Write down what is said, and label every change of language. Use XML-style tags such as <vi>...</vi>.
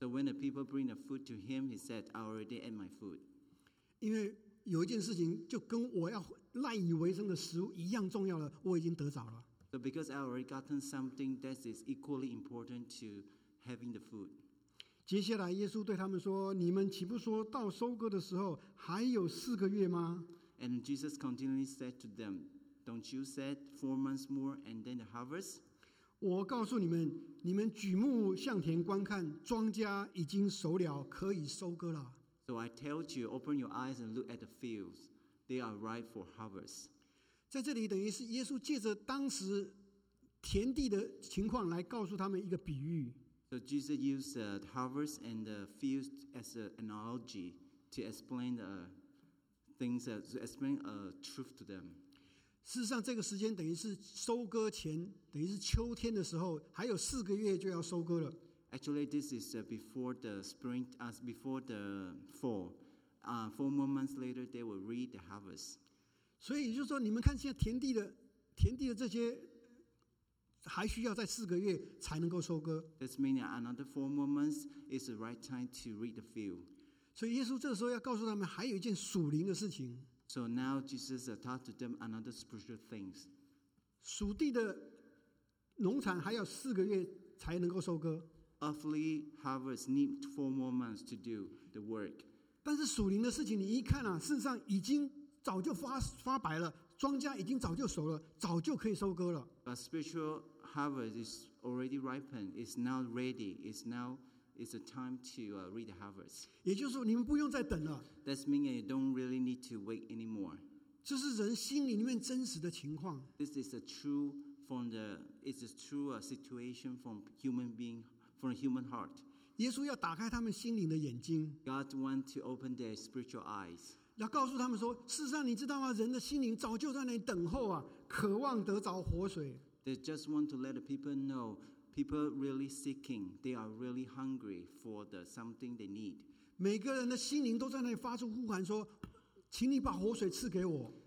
<en>So when the people bring the food to him, he said, "I already ate my food."</en> <zh>因为有一件事情就跟我要赖以为生的食物一样重要了，我已经得着了。</zh> <en>So because I already gotten something that is equally important to having the food.</en> <zh>接下来，耶稣对他们说：“你们岂不说到收割的时候还有四个月吗？”</zh> <en>And Jesus continually said to them. Don't you said 4 months more and then the harvest?</en> <zh>我告诉你们，你们举目向田观看，庄稼已经熟了，可以收割了。</zh> <en>So I tell you, open your eyes and look at the fields; they are ripe for harvest.</en> <zh>在这里等于是耶稣借着当时田地的情况来告诉他们一个比喻。</zh> <en>So Jesus used the harvest and the fields as an analogy to explain the things, to explain a truth to them.</en> <zh>事实上这个时间等于是收割前，等于是秋天的时候，还有四个月就要收割了。</zh> <en>Actually, this is before the spring, before the fall. Four more months later, they will reap the harvest.</en> <zh>所以也就是说，你们看现在田地的这些，还需要在四个月才能够收割。</zh> <en>This means another 4 more months is the right time to reap the field.</en> <zh>所以耶稣这个时候要告诉他们，还有一件属灵的事情。</zh> <en>So now Jesus taught to them another spiritual things.</en> <zh>属地的农产还要四个月才能够收割。</zh> <en>Earthly harvest need 4 more months to do the work.</en> <zh>但是属灵的事情你一看啊，事实上已经早就发白了，庄稼已经早就熟了，早就可以收割了。</zh> <en>But spiritual harvest is already ripened. It's now ready. It's now. It's a time to reap the harvest.</en> <zh>也就是说，你们不用再等了。</zh> <en>That means you don't really need to wait anymore.</en> <zh>这是人心里面真实的情况。</zh> <en>This is a true from the it's a true situation from human being from human heart.</en> <zh>耶稣要打开他们心灵的眼睛。</zh> <en>God wants to open their spiritual eyes.</en> <zh>要告诉他们说，事实上你知道吗？人的心灵早就在那里等候啊，渴望得着活水。</zh> <en>They just want to let the people know. People really seeking, they are really hungry for the something they need.</en> <zh>每个人的心灵都在那里发出呼喊说，请你把活水赐给我。</zh>